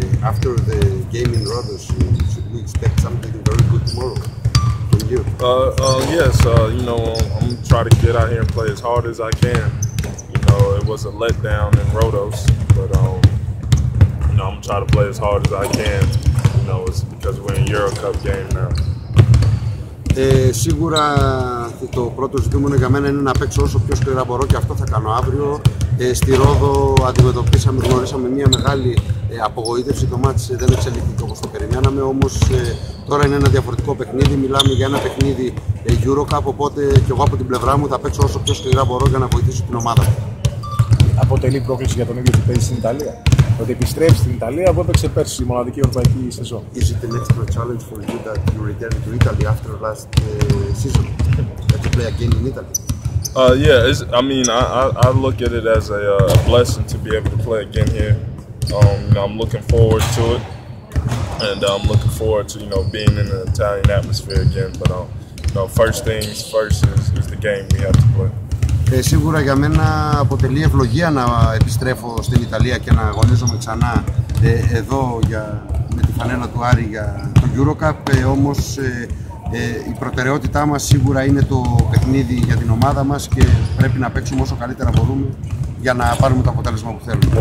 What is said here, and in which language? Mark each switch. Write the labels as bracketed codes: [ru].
[en] After the game in Rodos, should we expect something very good tomorrow from you? Yes. I'm trying to get out here and play as hard as I can. You know, it was a letdown in Rodos, but I'm trying to play as hard as I can. You know, it's because we're in Euro Cup game now. [el] Σίγουρα το πρώτο ζητούμενο για μένα είναι να παίξω όσο πιο σκληρά μπορώ και αυτό θα κάνω αύριο. Στη Ρόδο γνωρίσαμε μια μεγάλη απογοήτευση. Το μάτς δεν εξελίχθηκε όπως το περιμέναμε, όμως τώρα είναι ένα διαφορετικό παιχνίδι. Μιλάμε για ένα παιχνίδι Eurocup, οπότε και εγώ από την πλευρά μου θα παίξω όσο πιο σκληρά μπορώ για να βοηθήσω την ομάδα μου. Αποτελεί πρόκληση για τον ίδιο που παίζει στην Ιταλία. Ότι επιστρέψει στην Ιταλία, από όταν ξεπέρσει η μοναδική ευρωπαϊκή σεζόν. [en] Is it an extra challenge for you that you return to Italy after last season? That you play again in Italy? Yeah, I look at it as a blessing to be able to play again here. I'm looking forward to it. And I'm looking forward to, you know, being in an Italian atmosphere again. But first things first is the game we have to play. [el] Σίγουρα για μένα αποτελεί ευλογία να επιστρέφω στην Ιταλία και να αγωνίζομαι ξανά εδώ με τη φανέλα του Άρη για το Eurocup. Όμως η προτεραιότητά μας σίγουρα είναι το παιχνίδι για την ομάδα μας και πρέπει να παίξουμε όσο καλύτερα μπορούμε για να πάρουμε το αποτέλεσμα που θέλουμε.